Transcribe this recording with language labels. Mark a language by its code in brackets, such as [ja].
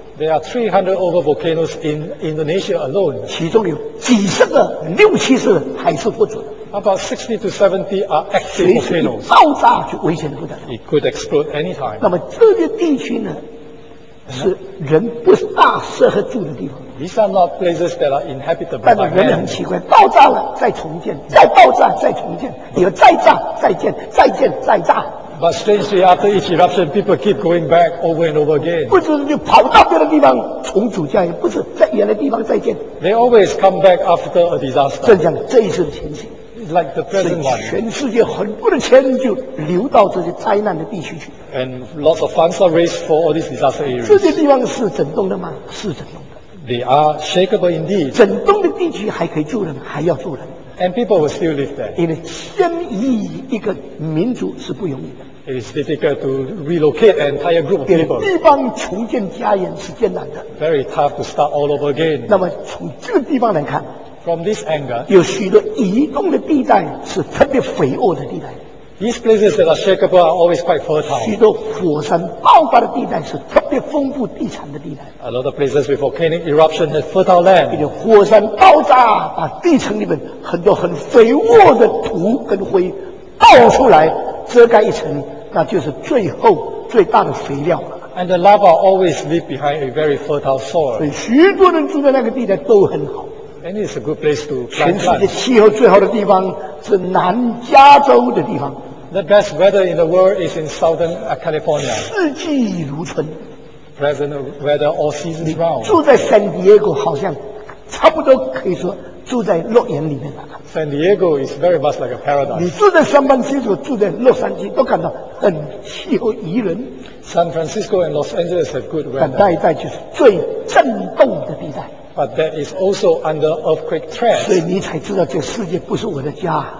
[en] there are 300 over volcanoes in Indonesia alone. [zh] 其中有几十个六七十个还是不准, [en] about 60 to 70 are active volcanoes. [zh] 爆炸就危险不得了, [en] it could explode anytime. [zh] 那么这些地区呢, 是人不大适合住的地方, [en] these are not places that are inhabitable by man. [zh] 但人很奇怪, 爆炸了再重建, 再爆炸再重建, 有再炸再建再建再炸, [en] but strangely after each eruption people keep going back over and over again. [zh] 不是就跑到别的地方重组家园, 不是在原来地方再建, [en] they always come back after a disaster. [zh] 正像这一次的情形, [en] like the present one. [zh] 全世界很多的钱就流到这些灾难的地区去, [en] and lots of funds are raised for all these disaster areas. [zh] 这些地方是整栋的吗?是整栋的, [en] they are shakeable indeed. [zh] 整栋的地区还可以住人, 还要住人, [en] and people will still live there. [zh] 因为迁移一个民族是不容易的, [en] it is difficult to relocate an entire group of people. [zh] 地方重建家园是艰难的, [en] very tough to start all over again. [zh] 那么从这个地方来看, [en] from this anger, [zh] 有许多移动的地带是特别肥沃的地带。 [en] These places that are shakeable are always quite fertile. [zh] 许多火山爆发的地带是特别丰富地产的地带。 [en] A lot of places with volcanic eruption have fertile land. [zh] 因为火山爆炸把地层里面很多很肥沃的土跟灰爆出来，遮盖一层，那就是最后最大的肥料了。 [en] And the lava always leave behind a very fertile soil. [zh] 所以许多人住在那个地带都很好。 [en] And it's a good place to plant. [zh] 全世界气候最好的地方是南加州的地方。 [en] The best weather in the world is in Southern California. [zh] 四季如春。 [en] Pleasant weather all seasons round. [zh] 住在 San Diego 好像差不多可以说住在乐园里面了。 [en] San Diego is very much like a paradise. [zh] 你住在 San Francisco， 住在洛杉矶，都感到很气候宜人。 [en] San Francisco and Los Angeles have good weather. [zh] 但带一带就是最震动的地带。 [en] But that is also under earthquake threat. [zh] 所以你才知道这世界不是我的家。